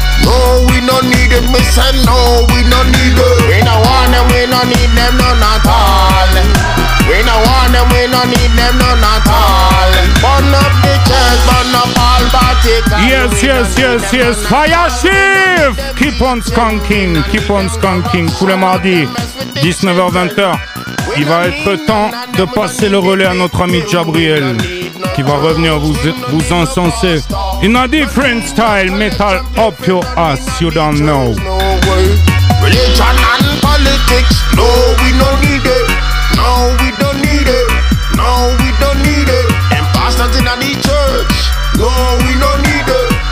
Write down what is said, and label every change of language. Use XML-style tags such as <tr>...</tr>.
<en>No, we don't need it. Me say, no, we don't need it. We don't want them, we don't need them, none at all. We don't want them, we don't need them, none at all. Burn up the church, burn up all Vatican. Yes, yes, yes, yes, fire chief. Keep on skanking, keep on skanking.</en> <fr>Tous les mardis, 19h-20h, il va être temps de passer le relais à notre ami Jabriel, qui va revenir vous encenser.</fr> <en>In a different style, metal up your ass, you don't know. Religion and politics, no, we don't need it. No, we don't need it. No, we don't need it. Imposters in the church, no, we don't need it.</en>